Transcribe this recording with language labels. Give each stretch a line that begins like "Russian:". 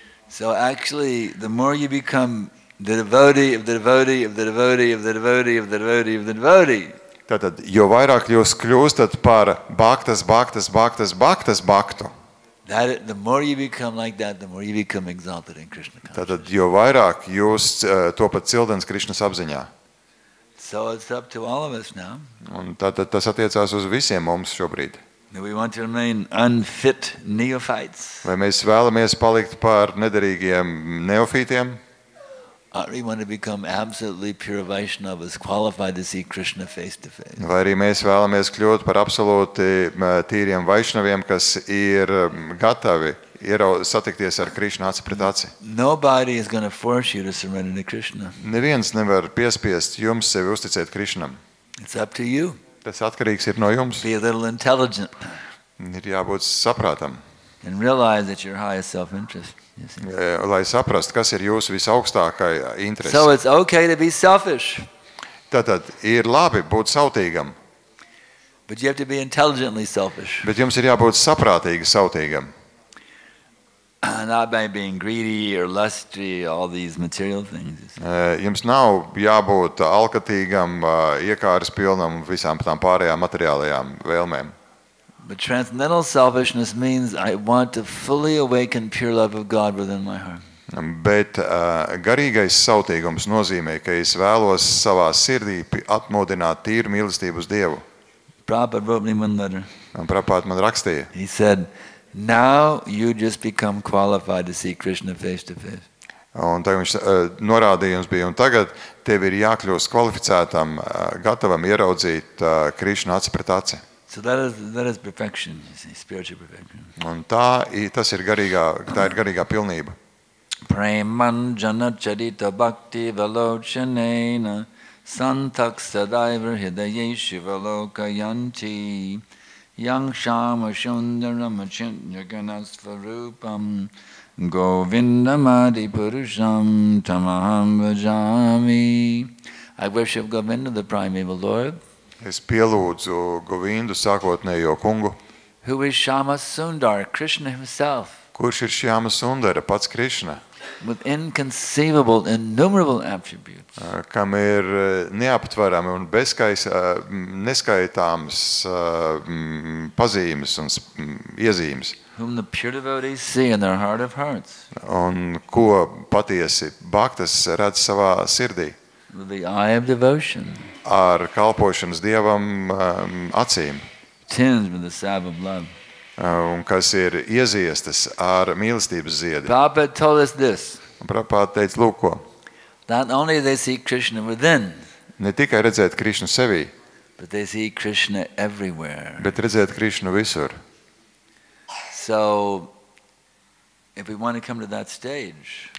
English: So actually, the more you become the devotee of the devotee.
Latvian: Tātad, jo vairāk jūs kļūstat par bhaktas bhaktu.
English: That the more you become like that, the more you become exalted in Krishna consciousness.
Latvian: Tātad, jo vairāk jūs to pat cildens Krishnas apziņā.
English: So it's up to all of us now.
Latvian: Un tātad, tas attiecās uz visiem mums šobrīd.
English: Do we want to remain unfit neophytes?
Latvian: Vai mēs vēlamies palikt par nederīgiem neofītiem?
English: Or we want to become absolutely pure Vaishnavas, qualified to see Krishna face to face?
Latvian: Vai arī mēs vēlamies kļūt par absolūti tīriem Vaishnaviem, kas ir gatavi satikties ar Krishna acu pret acu?
English: Nobody is going to force you to surrender to Krishna.
Latvian: Neviens nevar piespiest jums sevi uzticēt Krishnam.
English: It's up to you.
Latvian: Tas atkarīgs ir no jums.
English: Be a little intelligent.
Latvian: Ir jābūt saprātam.
English: And realize that your highest self-interest.
Latvian: Lai saprast, kas ir jūsu visaugstākā interese.
English: So it's okay to be selfish.
Latvian: Tātad ir labi būt sautīgam.
English: But you have to be intelligently selfish.
Latvian: Bet jums ir jābūt saprātīgi sautīgam.
English: Not by being greedy or lusty, all these material things.
Latvian: Jums nav jābūt alkatīgam, iekāres pilnam visām tām pārējām materiālajām vēlmēm.
English: But transcendental selfishness means I want to fully awaken pure love of God within my heart.
Latvian: Bet garīgais sautīgums nozīmē, ka es vēlos savā sirdī atmodināt tīru mīlestību uz Dievu.
English: Prabhupada wrote me one letter.
Latvian: Un Prabhupada man rakstīja.
English: He said, now you just become qualified to see Krishna face to face.
Latvian: Un tagad viņš norādījums bija, un tagad tev ir jākļūst kvalificētam, gatavam ieraudzīt Krishna acu pret acu.
English: So that is perfection, spiritual perfection.
Latvian: Un tā ir garīgā pilnība.
Sanskrit: Preman jana charita bhakti valochanena santak sadaiva hidaye shivaloka yanti yang shama shundaram chintyagana svarupam govindamadi purusham tamaham vajami.
English: I worship Govinda, the primeval lord.
Latvian: Es pielūdzu Govindu, sākotnējo kungu.
English: Who is Shyama Sundara, Krishna himself?
Latvian: Kurš ir Shyama Sundara, pats Krishna?
English: With inconceivable, innumerable attributes.
Latvian: Kam ir neaptvarami un neskaitāmas pazīmes un iezīmes.
English: Whom the pure devotees see in their heart of hearts.
Latvian: Un ko patiesi bhaktas redz savā sirdī.
English: With the eye of devotion.
Latvian: Ar kalpošanas Dievam acīm.
English: Tins with the salve of love.
Latvian: un kas ir ieziestas ar mīlestības ziedi.
English: Prabhupāda told us this.
Latvian: Prabhupāda teica, lūk ko.
English: Not only they see Krishna within.
Latvian: Ne tikai redzēt Krishnu sevī.
English: But they see Krishna everywhere.
Latvian: Bet redzēt Krishnu visur.
English: So if we want to come to that stage.